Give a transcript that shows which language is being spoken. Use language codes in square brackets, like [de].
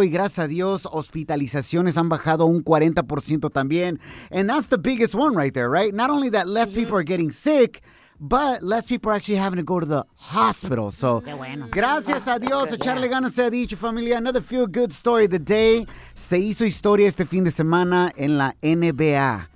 [es] Y gracias a Dios, hospitalizaciones han bajado un 40% también. [en] And that's the biggest one right there, right? Not only that less people are getting sick, but less people are actually having to go to the hospital. [es] So, gracias a Dios. Echarle ganas, se ha dicho, familia. [en] Another feel-good story of the day. [es] Se hizo historia este fin de semana en la NBA.